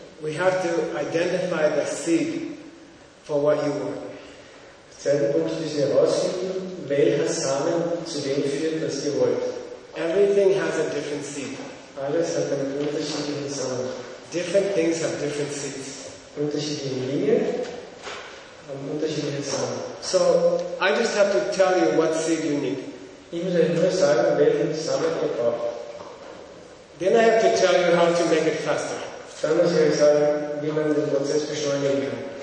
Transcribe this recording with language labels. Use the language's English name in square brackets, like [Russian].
[English] We have to identify the seed for what you want. [German] Zweiter Punkt, wie Sie herausfinden, welcher Samen zu dem führt, was Sie wollt. [English] Everything has a different seed. [German] Alles hat einen unterschiedlichen Samen. [English] Different things have different seeds. [German] Unterschiedliche Linien haben unterschiedliche Samen. [English] So, I just have to tell you what seed you need. [German] Ich muss euch nur sagen, welchen Samen ihr braucht. [English] Then I have to tell you how to make it faster. [German] Dann muss ich euch sagen, wie man den Prozess beschleunigen kann.